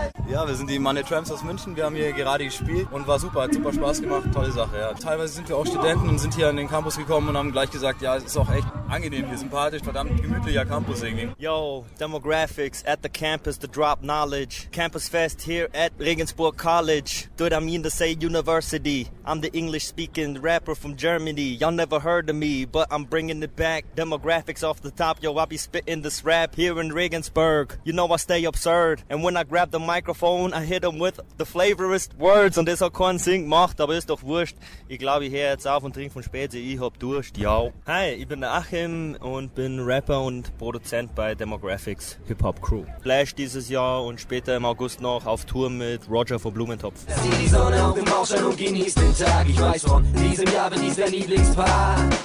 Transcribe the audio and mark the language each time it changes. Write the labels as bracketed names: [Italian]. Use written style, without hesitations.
[German] Ja, wir sind die Money Tramps aus München. Wir haben hier gerade gespielt und war super, hat super Spaß gemacht. Tolle Sache, ja. Teilweise sind wir auch Studenten und sind hier an den Campus gekommen und haben gleich gesagt, ja, es ist auch echt angenehm hier, sympathisch, verdammt gemütlicher Campus irgendwie. [English] Yo, Demographics at the campus to drop knowledge. Campus Fest here at Regensburg College. Do what I mean to say university. I'm the English-speaking rapper from Germany. Y'all never heard of me, but I'm bringing it back. Demographics off the top, yo, I be spitting this rap here in Regensburg. You know I stay absurd. And when I grab the microphone, I hit them with the flavorist words. [German] Und das hat keinen Sinn gemacht, aber ist doch wurscht. Ich glaube, ich höre jetzt auf und trinke von Spezi. Ich hab Durst, yo. Hi, ich bin der Achim und bin Rapper und Produzent bei Demographics Hip-Hop Crew. Flash dieses Jahr und später im August noch auf Tour mit Roger von Blumentopf. Zieh die Sonne auf dem Bauch und genieß den Tag. Ich weiß, von diesem Jahr bin ich dein Lieblingspaar.